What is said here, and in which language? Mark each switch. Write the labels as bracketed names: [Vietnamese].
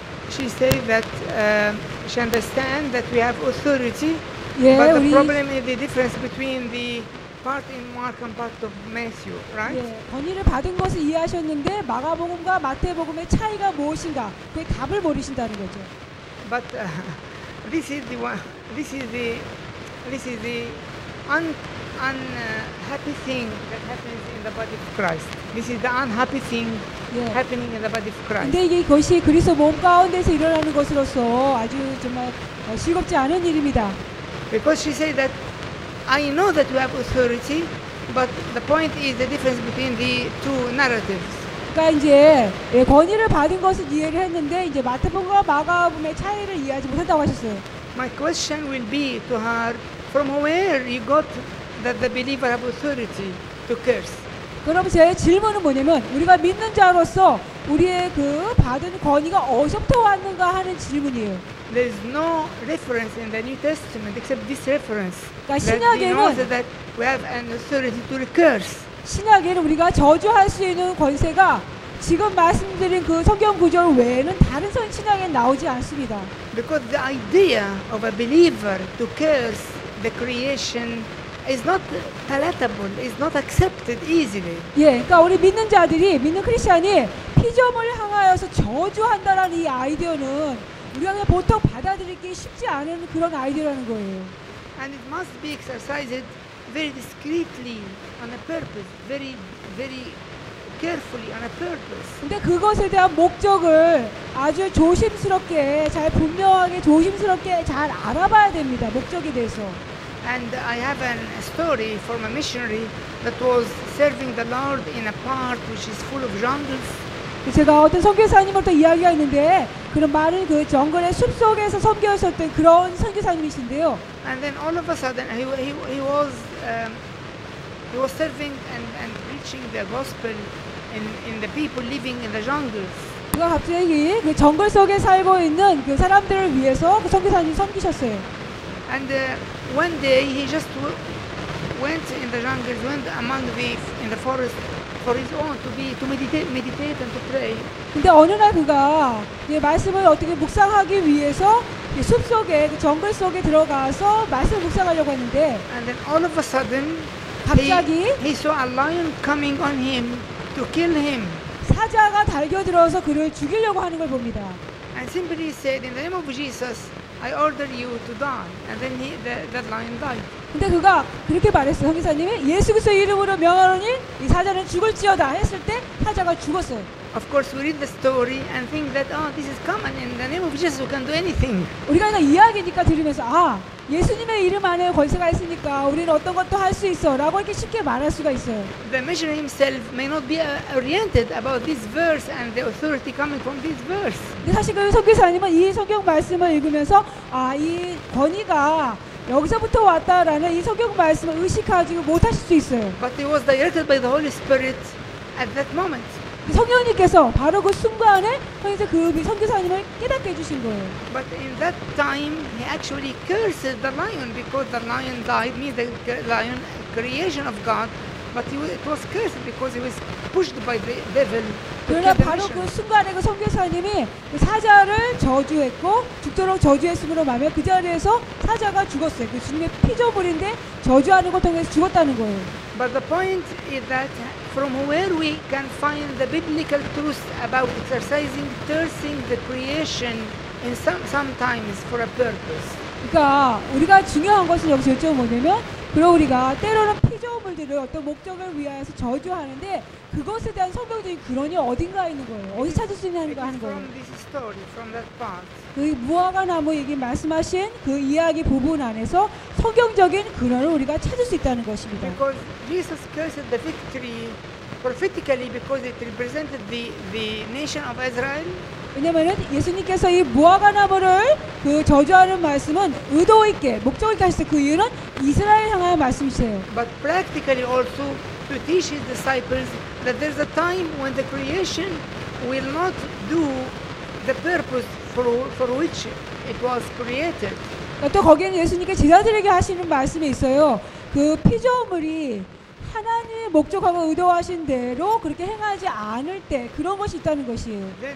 [English] She says that she understands that we have authority, yeah, but the problem is the difference between the part in Mark and part of Matthew, right? [Korean] 권위를 받은 것을 이해하셨는데 마가복음과 마태복음의 차이가 무엇인가 그 답을 모르신다는 거죠. [English] But this is the unhappy thing that happens in the body of Christ. This is the unhappy thing. Yeah. Happening in the body of Christ. [Korean] 근데 이게 것이 그리스도 몸 가운데서 일어나는 것으로서 아주 정말 즐겁지 않은 일입니다. [English] Because she said that I know that we have authority, but the point is the difference between the two narratives. [Korean] 그러니까 이제 예, 권위를 받은 것을 이해를 했는데 이제 마태복음과 마가복음의 차이를 이해하지 못했다고 하셨어요. [English] My question will be to her, from where you got that the believer have authority to curse? [Korean] 그럼 제 질문은 뭐냐면 우리가 믿는 자로서 우리의 그 받은 권위가 어디서부터 왔는가 하는 질문이에요. [English] There is no reference in the New Testament except this reference. [Korean] 그러니까 신약에는 [English] that we have an authority to curse. [Korean] 신약에는 우리가 저주할 수 있는 권세가 지금 말씀드린 그 성경 구절 외에는 다른 신약에 나오지 않습니다. [English] Because the idea of a believer to curse the creation is not palatable, is not accepted easily. [Korean] 예, 그러니까 우리 믿는 자들이, 믿는 크리스천이 피조물을 향하여서 저주한다라는 이 아이디어는 우리가 보통 받아들이기 쉽지 않은 그런 아이디어라는 거예요. [English] And it must be exercised very discreetly on a purpose, very, very carefully on a purpose. [Korean] 근데 그것에 대한 목적을 아주 조심스럽게, 잘 분명하게 조심스럽게 잘 알아봐야 됩니다. 목적에 대해서. [English] And I have a story from a missionary that was serving the Lord in a part which is full of jungles. [Korean] 제가 어떤 선교사님한테 이야기가 있는데 그런 말을 그 정글의 숲속에서 선교하셨던 그런 선교사님이신데요. [English] And then all of a sudden he was serving and preaching the gospel in the people living in the jungles. [Korean] 그가 갑자기 그 정글 속에 살고 있는 그 사람들을 위해서 그 선교사님 섬기셨어요. [English] And one day he just went in the jungles, went among the in the forest for his own to meditate and to pray. [Korean] 근데 어느 날 그가 예, 말씀을 어떻게 묵상하기 위해서 예, 숲 속에 그 정글 속에 들어가서 말씀 묵상하려고 했는데 [English] And then all of a sudden [Korean] 갑자기 [English] he saw a lion coming on him to kill him. [Korean] 사자가 달겨들어서 그를 죽이려고 하는 걸 봅니다. [English] And simply said in the name of Jesus I order you to die. And then that lion died. [Korean] 근데 그가 그렇게 말했어요. 형제사님이 예수 그리스도의 이름으로 명하노니 이 사자는 죽을지어다 했을 때 사자가 죽었어요. [English] Of course we read the story and think that oh this is common in the name of Jesus we can do anything. [Korean] 우리가 이 이야기니까 들으면서 아 예수님의 이름 안에 권세가 있으니까 우리는 어떤 것도 할 수 있어 라고 이렇게 쉽게 말할 수가 있어요. [English] The missionary himself may not be oriented about this verse and the authority coming from this verse. [Korean] 근데 사실 그 선교사님은 이 성경 말씀을 읽으면서 아 이 권위가 여기서부터 왔다라는 이 성경 말씀을 의식하지 못하실 수 있어요. [English] But it was directed by the Holy Spirit at that moment. [Korean] 성령님께서 바로 그 순간에 그래서 그 선교사님을 깨닫게 해주신 거예요. [English] But in that time, he actually cursed the lion because the lion died, means the lion creation of God. But it was cursed because it was pushed by the devil. [Korean] 그러나 바로 그 순간에 그 선교사님이 그 사자를 저주했고 죽도록 저주했음으로 말며 그 자리에서 사자가 죽었어요. 그 주님의 피조물인데 저주하는 것 통해서 죽었다는 거예요. [English] But the point is that from where we can find the biblical truth about exercising, cursing the creation in sometimes for a purpose. [Korean] 그러니까 우리가 중요한 것은 여기서 요점이 뭐냐면 그리고 우리가 때로는 피조물들을 어떤 목적을 위하여서 저주하는데 그것에 대한 성경적인 근원이 어딘가에 있는 거예요. 어디 찾을 수 있는가 하는 거예요. [English] From this story, from that part. [Korean] 그 무화과 나무 얘기 말씀하신 그 이야기 부분 안에서 성경적인 근원을 우리가 찾을 수 있다는 것입니다. [English] Because Jesus cursed the fig tree prophetically because it represented the nation of Israel. [Korean] 왜냐하면 예수님께서 이 무화과 나무를 그 저주하는 말씀은 의도 있게 목적 있게 하셨어요. 그 이유는 이스라엘 향한 말씀이세요. [English] But practically also to teach his disciples that there's a time when the creation will not do the purpose for which it was created. [Korean] 또 거기에 예수님께서 제자들에게 하시는 말씀이 있어요. 그 피조물이 하나님의 목적하고 의도하신 대로 그렇게 행하지 않을 때 그런 것이 있다는 것이에요.